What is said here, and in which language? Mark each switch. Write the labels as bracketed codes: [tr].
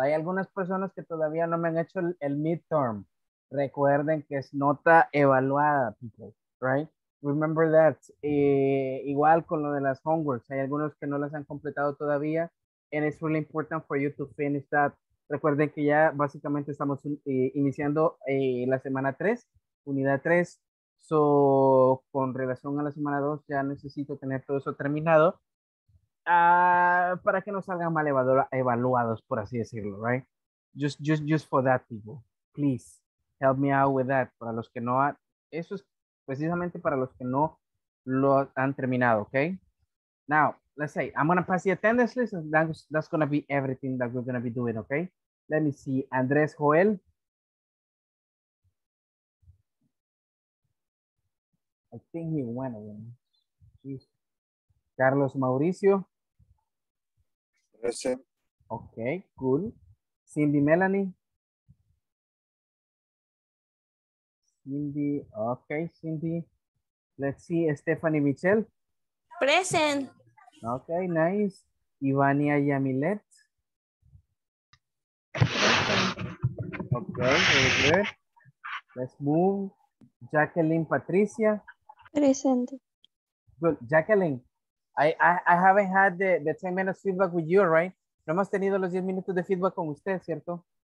[es] Hay algunas personas que todavía no me han hecho el midterm. Recuerden que es nota evaluada, people, right? [en] Remember that. [es] Igual con lo de las homeworks. Hay algunos que no las han completado todavía. [en] And it's really important for you to finish that. [es] Recuerden que ya básicamente estamos iniciando la semana 3, unidad 3. So, con relación a la semana 2, ya necesito tener todo eso terminado. Para que no salgan mal evaluados, por así decirlo, right? [en] Just for that, people. Please. Help me out with that. [es] Para los que no, eso es precisamente para los que no lo han terminado, okay? [en] Now, let's say, I'm going to pass the attendance list and that's going to be everything that we're going to be doing, okay? Let me see, Andres Joel. I think he went away. Jeez. Carlos Mauricio. Present. Okay, cool. Cindy Melanie. Cindy, okay, Cindy. Let's see, Stephanie Michel. Present. Okay, nice. Ivania Yamilet. Okay, very good. Let's move. Jacqueline Patricia. Present. Good, Jacqueline. I haven't had the 10 minutes feedback with you, right? [es] No hemos tenido los 10 minutos de feedback con usted, ¿cierto?